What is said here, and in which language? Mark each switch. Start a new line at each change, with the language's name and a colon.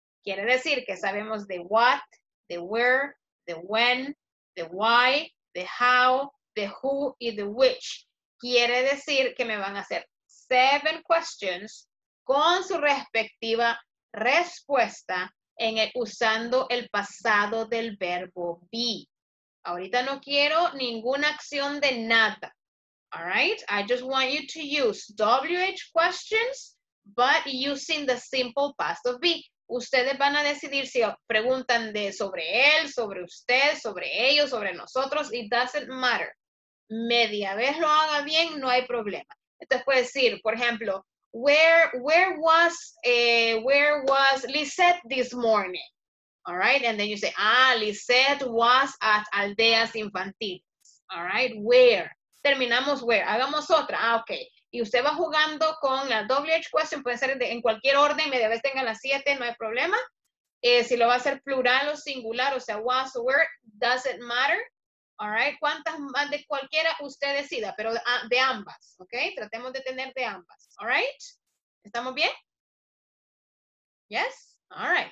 Spanish: Quiere decir que sabemos de what, the where, the when, the why, the how, the who, y the which. Quiere decir que me van a hacer 7 questions con su respectiva respuesta usando el pasado del verbo be. Ahorita no quiero ninguna acción de nada.
English: All right? I just want you to use WH questions, but using the simple past of be.
Spanish: Ustedes van a decidir si preguntan de sobre él, sobre usted, sobre ellos, sobre nosotros.
English: It doesn't matter.
Spanish: Media vez lo haga bien, no hay problema. Entonces puede decir, por ejemplo,
English: where was Lisette this morning? All right, and then you say, ah, Lisette was at Aldeas Infantiles. All right, where?
Spanish: Terminamos
English: where.
Spanish: Hagamos otra.
English: Ah, okay.
Spanish: Y usted va jugando con la WH question, puede ser en cualquier orden, media vez tenga las 7, no hay problema. Si lo va a hacer plural o singular, o sea, was o were,
English: doesn't matter.
Spanish: All right, cuántas más de cualquiera usted decida, pero de ambas, ok. Tratemos de tener de ambas,
English: all right.
Spanish: ¿Estamos bien?
English: Yes. All right.